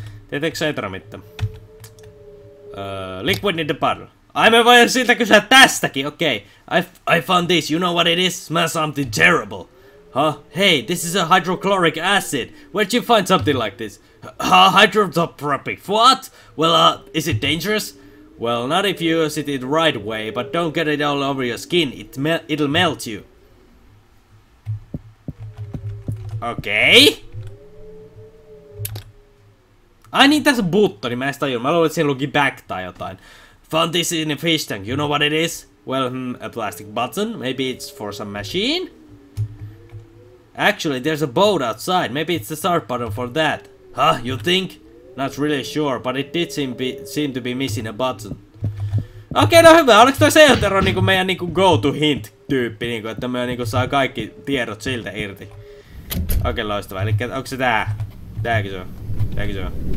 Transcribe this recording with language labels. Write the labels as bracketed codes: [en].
[fi] Tietääks sä etramitta? [en] Liquid in the bottle. [fi] Ai me voin siltä kysyä tästäkin, okei. [en] Okay. I found this, you know what it is? Smell something terrible. Huh? Hey, this is a hydrochloric acid. Where'd you find something like this? Hydrotropic. What? Well, is it dangerous? Well, not if you use it the right way, but don't get it all over your skin. It'll melt you. Okei. Okay. [fi] Ai niin, tässä on buttoni. Mä en sitä juuri. Mä luulen, että siinä luki back tai jotain. [en] Found this in a fish tank. You know what it is? Well, a plastic button. Maybe it's for some machine? Actually, there's a boat outside. Maybe it's the start button for that. Huh? You think? Not really sure, but it did seem to be missing a button. [fi] Okei, okay, no hyvä. Oliko toi seotero niinku meidän niinku go-to-hint-tyyppi? Niinku, että me niinku saa kaikki tiedot siltä irti. Okei, okay, loistava. Elikkä, onko se tää? Tääkö se on? Tääkö se on?